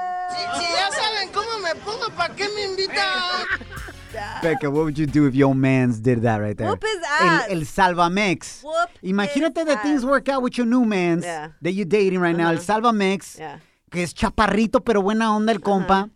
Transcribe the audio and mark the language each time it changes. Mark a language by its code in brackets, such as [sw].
[es] Si ya saben cómo me pongo, ¿para qué me invitan? [en] Becca, what would you do if your mans did that right there? Whoop his ass. El Salvamex. Whoop. Imagínate that things work out with your new mans that you're dating right now. El Salvamex. Yeah. [es] Que es chaparrito, pero buena onda el compa.